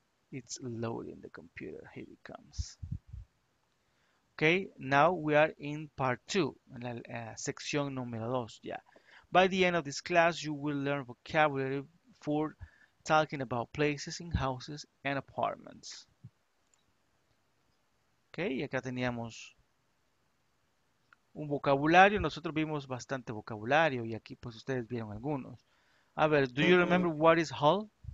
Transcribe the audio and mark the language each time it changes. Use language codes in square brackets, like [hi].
[en] It's loading the computer. Here it comes. Okay, now we are in part two, [es] en la sección número dos, ya. [en] Yeah. By the end of this class, you will learn vocabulary for talking about places in houses and apartments. [es] Okay, y acá teníamos un vocabulario. Nosotros vimos bastante vocabulario y aquí pues ustedes vieron algunos. A ver, [en] do you remember what is hall?